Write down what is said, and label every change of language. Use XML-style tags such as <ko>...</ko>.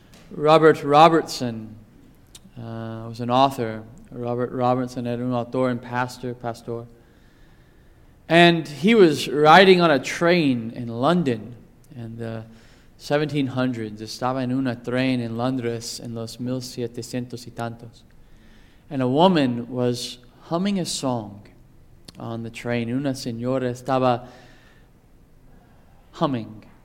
<en>Robert Robertson was an author. Robert Robertson</en> <es>era un autor</es> <en>and pastor. And he was riding on a train in London in the 1700s.</en> <es>Estaba en una tren en Londres en los 1700 y tantos.</es> <en>And a woman was humming a song on the train.</en> <es>Una señora estaba</es> <en>humming.</en>